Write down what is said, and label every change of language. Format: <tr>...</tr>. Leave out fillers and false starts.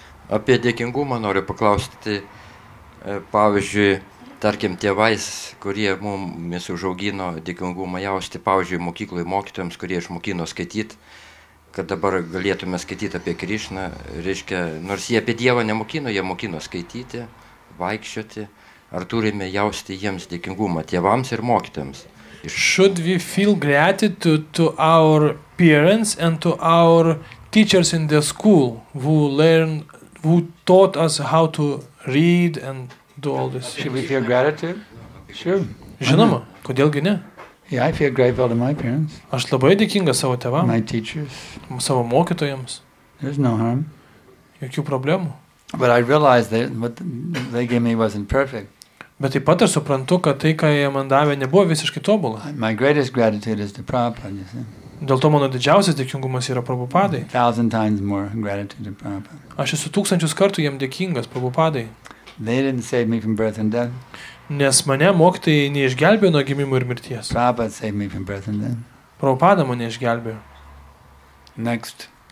<lt>Apie dėkingumą noriu paklausti. Pavyzdžiui, tarkim, tėvais, kurie mums užaugino dėkingumą jausti, pavyzdžiui, mokykloje mokytojams, kurie išmokino skaityti, kad dabar galėtume skaityti apie Krišną. Reiškia, nors jie apie Dievą nemokino, jie mokino skaityti, vaikščioti, ar turime jausti jiems dėkingumą, tėvams ir mokytojams?</lt> <en>Should we feel gratitude to our parents and to our teachers in the school who learn, who taught us how to read and do all this? Should we feel gratitude?</en> <lt>Sure. Žinoma, kodėlgi ne?</lt> <en>Yeah, I feel grateful to my parents.</en> <lt>Aš labai dėkingas savo tėvams.</lt> <en>My teachers.</en> <lt>Savo mokytojams.</lt> <en>There's no harm.</en> <lt>Jokių problemų.</lt> <en>But I realized that what they gave me wasn't perfect.</en> <lt>Bet taip pat ir suprantu, kad tai, ką jie man davė, nebuvo visiškai tobula.</lt> <en>My greatest gratitude is to Prabhupada, you see.</en> <lt>Dėl to mano didžiausias dėkingumas yra Prabhupadai.</lt> <en>1,000 times more gratitude to Prabhupada.</en> <lt>Aš esu 1,000 kartų jam dėkingas Prabhupadai.</lt> <en>They didn't save me from birth and death.</en> <lt>Nes mane mokytojai neišgelbėjo nuo gimimo ir mirties.</lt> <en>Prabhupada saved me from birth and death.</en> <lt>Prabhupada mane išgelbėjo.</lt> <en>Next.</en>